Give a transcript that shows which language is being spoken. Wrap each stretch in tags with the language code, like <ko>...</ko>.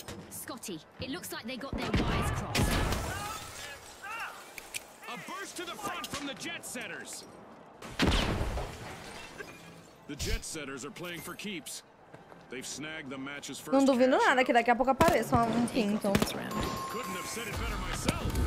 <en>Scotty, it looks like they got their wires crossed. A burst to the front from the jet setters. The jet setters are playing for keeps. They've snagged the match's first.</en> <pt>Não duvido nada que daqui a pouco apareça um quinto.</pt> <en>Couldn't have said it better myself.</en>